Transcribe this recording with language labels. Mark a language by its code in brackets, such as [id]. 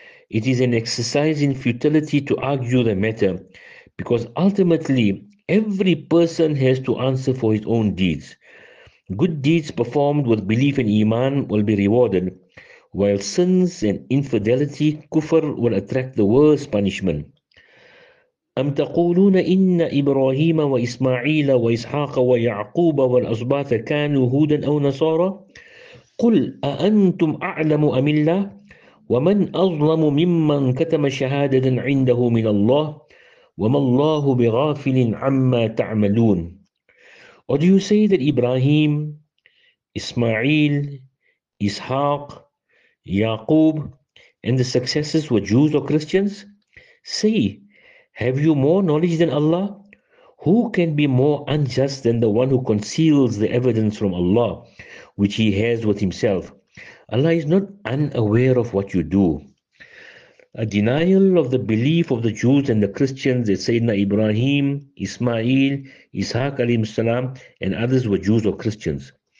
[en] It is an exercise in futility to argue the matter, because ultimately every person has to answer for his own deeds. Good deeds performed with belief in Iman will be rewarded, while sins and infidelity, kufr, will attract the worst punishment. [ar] أَمْ تَقُولُونَ إِنَّ إِبْرَاهِيمَ وَإِسْمَعِيلَ وَإِسْحَاقَ وَيَعْقُوبَ وَالْأَسْبَاطَ كَانُوا هُودًا أَوْ نَصَارًا قُلْ أَأَنْتُمْ أَعْلَمُ أَمِ اللَّهِ وَمَنْ أَظْلَمُ مِمَّنْ كَتَمَ شَهَادَةً عِنْدَهُ مِنَ اللَّهِ وَمَا اللَّهُ بِغَافِلٍ عَمَّا تَعْمَلُونَ. [en] Or do you say that Ibrahim, Ismail, Ishaq, Yaqub, and the successors were Jews or Christians? Say, have you more knowledge than Allah? Who can be more unjust than the one who conceals the evidence from Allah, which he has with himself? Allah is not unaware of what you do. A denial of the belief of the Jews and the Christians that Sayyidina Ibrahim, Ismail, Ishaq alayhi salam, and others were Jews or Christians.